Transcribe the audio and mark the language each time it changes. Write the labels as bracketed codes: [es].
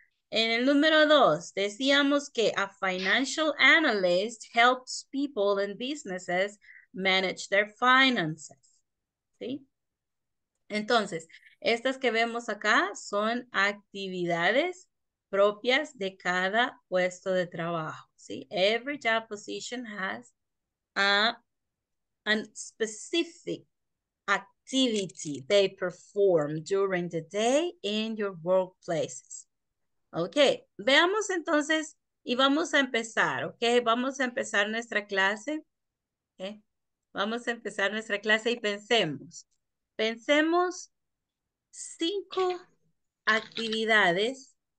[es] En el número dos, decíamos que [en] a financial analyst helps people and businesses manage their finances, [es] ¿sí? Entonces, estas que vemos acá son actividades propias de cada puesto de trabajo, ¿sí? [en] Every job position has a specific activity they perform during the day in your workplaces. [es] Ok, veamos entonces y vamos a empezar, ¿ok? Vamos a empezar nuestra clase, ¿ok? Vamos a empezar nuestra clase y pensemos. Pensemos cinco actividades.